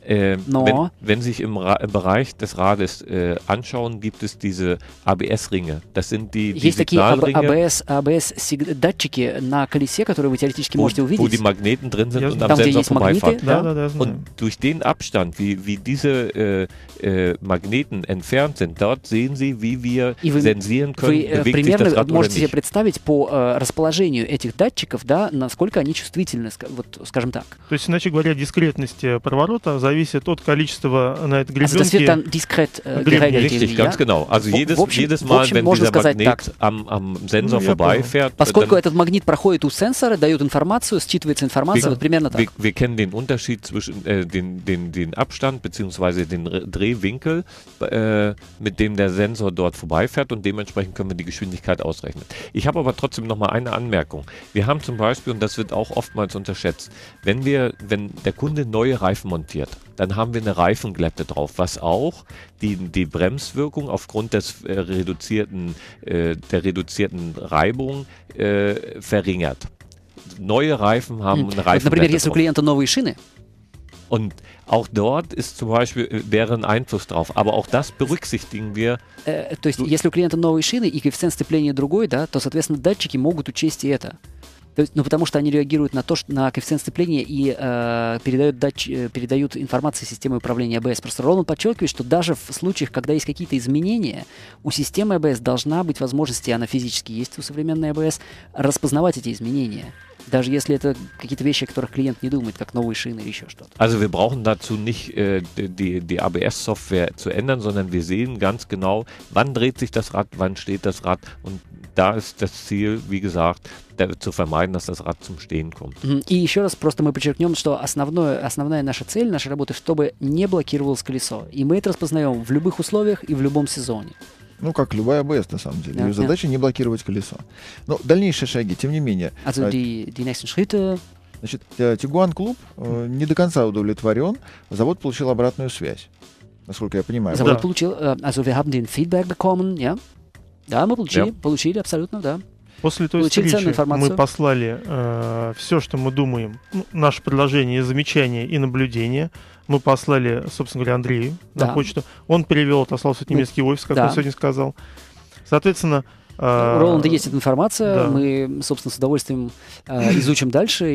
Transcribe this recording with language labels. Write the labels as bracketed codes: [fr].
[de] Wenn Sie sich im Bereich des Rades anschauen, gibt es diese ABS-Ринги. Das sind die Signalringe. [ru] Есть такие ABS-датчики на колесе, которые вы теоретически можете увидеть. [de] Wo die Magneten drin sind und am Sensor vorbeifahren. Und durch den Abstand, wie diese Magneten entfernt sind, dort sehen Sie, wie wir sensieren können, bewegt sich das Rad oder nicht. [ru] Можете себе представить по расположению этих датчиков, да, насколько они чувствительны, вот, скажем так. То есть, иначе говоря, дискретность поворота зависит от количества на этой гребенке. [de] Also das wird dann diskret geregelt. Richtig, ganz genau. Also jedes Mal, wenn dieser Magnet am Sensor vorbeifährt, [ru] поскольку этот магнит проходит у сенсора, дает информацию, считывается информация, вот примерно так. [de] Wir kennen den Unterschied zwischen den Abstand bzw. den Drehwinkel, mit dem der Sensor dort vorbeifährt und dementsprechend können wir die Geschwindigkeit ausrechnen. Ich habe aber trotzdem noch mal eine Anmerkung. Wir haben zum Beispiel, und das wird auch oftmals unterschätzt, wenn der Kunde neue Reifen montiert, dann haben wir eine Reifenglätte drauf, was auch die Bremswirkung aufgrund des reduzierten Reibung verringert. Neue Reifen haben eine Reifenglätte drauf. [ru] Например, если у клиента новые шины. [de] Und auch dort ist zum Beispiel wäre ein Einfluss drauf, aber auch das berücksichtigen wir. [ru] То есть, если у клиента новые шины и коэффициент сцепления другой, да, то соответственно датчики могут учесть и это. То есть, ну потому что они реагируют на то, что на коэффициент сцепления и передают информацию системе управления АБС. Просто Роланд подчеркивает, что даже в случаях, когда есть какие-то изменения, у системы АБС должна быть возможность, и она физически есть у современной АБС, распознавать эти изменения. Даже если это какие-то вещи, о которых клиент не думает, как новые шины или еще что-то. [de] Also wir brauchen dazu nicht die ABS-Software zu ändern, sondern wir sehen ganz genau, wann dreht sich das Rad, wann steht das Rad. Und da ist das Ziel, wie gesagt, zu vermeiden, dass das Rad zum Stehen kommt. [ru] И еще раз просто мы подчеркнем, что основная наша цель нашей работы, чтобы не блокировалось колесо. И мы это распознаем в любых условиях и в любом сезоне. Ну, как любая АБС, на самом деле. Ее задача не блокировать колесо. Но дальнейшие шаги, тем не менее. [de] Also die nächsten Schritte. [ru] Значит, Tiguan Club не до конца удовлетворен. Завод получил обратную связь. Насколько я понимаю. Завод получил. [de] Also wir haben den Feedback bekommen, ja. [ru] Да, мы получили. Yeah. Получили, абсолютно, да. После той получили встречи мы послали все, что мы думаем. Ну, наше предложение, замечания и наблюдения. Мы послали, собственно говоря, Андрею на почту. Он перевел, отослал в немецкий офис, как он сегодня сказал. Соответственно... У Роланда есть эта информация. Да. Мы, собственно, с удовольствием изучим дальше.